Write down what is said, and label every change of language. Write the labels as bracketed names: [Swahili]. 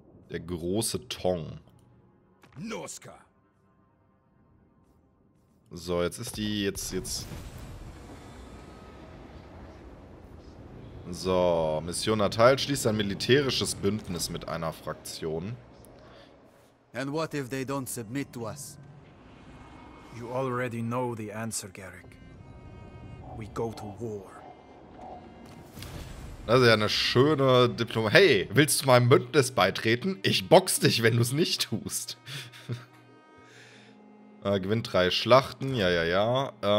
[German] Der große Tong. Noska. So, jetzt ist die, jetzt. So, Mission erteilt, schließt ein militärisches Bündnis mit einer Fraktion. [English] And what if they don't submit to us? You already know the answer, Gerrick. We go to war. [German] Das ist ja eine schöne Diplom... Hey, willst du meinem Bündnis beitreten? Ich box dich, wenn du es nicht tust. gewinnt 3 Schlachten, ja.